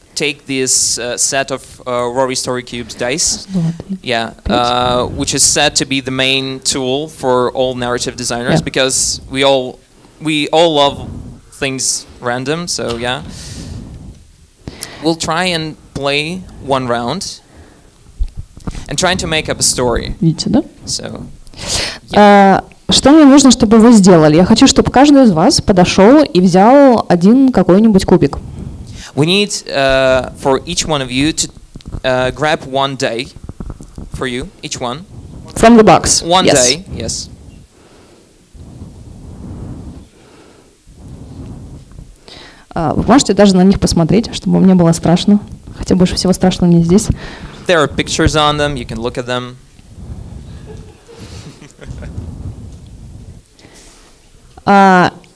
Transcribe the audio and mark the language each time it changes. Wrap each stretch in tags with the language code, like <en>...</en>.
<en>take this set of Rory Story Cubes dice, yeah, which is said to be the main tool for all narrative designers, yeah. Because we all love things random, so yeah. We'll try and play one round and try to make up a story.</en> <ru>Видите, да?</ru> <en>So, yeah.</en> <ru>Что мне нужно, чтобы вы сделали? Я хочу, чтобы каждый из вас подошел и взял один какой-нибудь кубик.</ru> <en>We need for each one of you to grab one day for you, each one. From the box. One yes. Day, yes. Uh,</en> <ru>Вы можете даже на них посмотреть, чтобы мне было страшно? Хотя больше всего страшно мне здесь.</ru> <en>There are pictures on them, you can look at them.</en>